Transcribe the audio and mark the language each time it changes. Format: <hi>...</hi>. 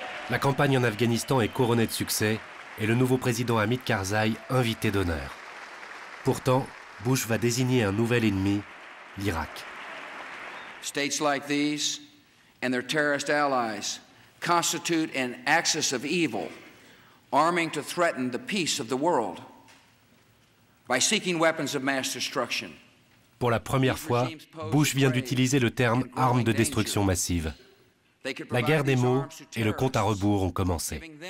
<fr>La campagne en Afghanistan est couronnée de succès et le nouveau président Hamid Karzai invité d'honneur. Pourtant, Bush va désigner un nouvel ennemi, l'Irak.</fr> <en>States like these and their terrorist allies constitute an axis of evil, arming to threaten the peace of the world by seeking weapons of mass destruction.</en> <fr>Pour la première fois, Bush vient d'utiliser le terme « arme de destruction massive ». La guerre des mots et le compte à rebours ont commencé.</fr>